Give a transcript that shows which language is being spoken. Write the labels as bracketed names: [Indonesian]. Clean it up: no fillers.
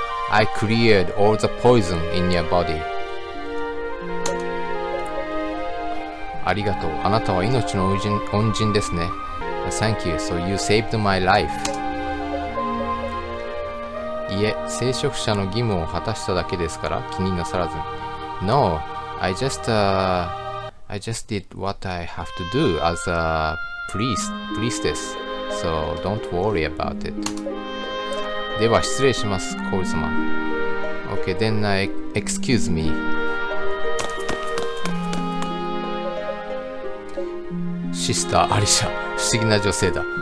[English] I cleared all the poison in your body. [Japanese] ありがとう。あなたは命の恩人ですね。 [English] Thank you. So you saved my life. [Japanese] いえ、聖職者の義務を果たしただけですから気になさらずに。 [English] No, I just did what I have to do as a priestess, so don't worry about it. [Japanese] では失礼します、皇子様。 [English] Okay, then excuse me. [Japanese] シスターアリシャ、不思議な女性だ。